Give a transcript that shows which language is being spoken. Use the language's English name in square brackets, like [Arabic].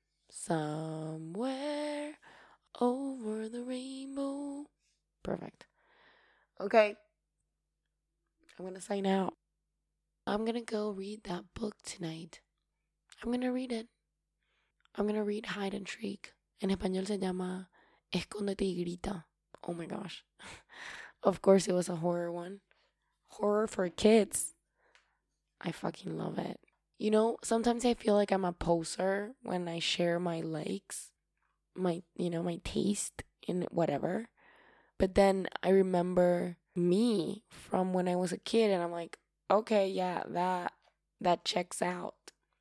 [English] Somewhere over the rainbow. Perfect. Okay. I'm going to sign out. I'm going to go read that book tonight. I'm going to read it. I'm going to read Hide and Shriek. [Spanish] En español se llama Escóndete y Grita. [English] Oh my gosh. Of course it was a horror one. Horror for kids. I fucking love it. You know, sometimes I feel like I'm a poser when I share my likes. My taste in whatever. But then I remember me from when I was a kid and I'm like, okay, yeah, that checks out.